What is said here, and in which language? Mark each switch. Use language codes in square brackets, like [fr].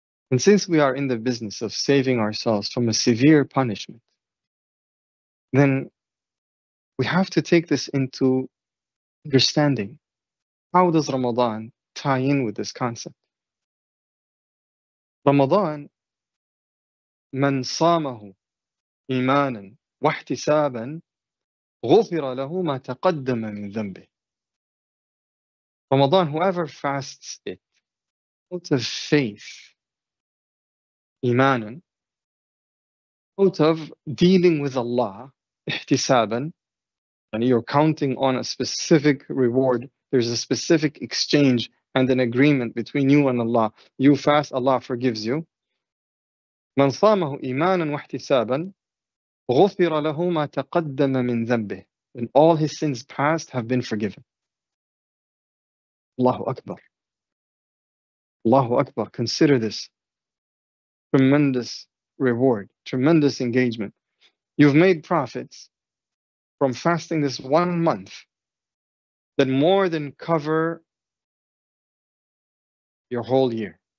[en] And since we are in the business of saving ourselves from a severe punishment, then we have to take this into understanding. How does Ramadan tie in with this concept? [ar] Ramadan, من صامه إيمانا واحتسابا غفر له ما تقدم من ذنبه. [en] Ramadan, whoever fasts it out of faith, إيمانا, out of dealing with Allah, احتسابا, and you're counting on a specific reward. There's a specific exchange and an agreement between you and Allah. You fast, Allah forgives you. [ar] من صامه إيمانا واحتسابا غفر له ما تقدم من ذنبه. [en] And all his sins past have been forgiven. Allahu Akbar. Allahu Akbar. Consider this tremendous reward, tremendous engagement. You've made profits from fasting this 1 month that more than cover your whole year.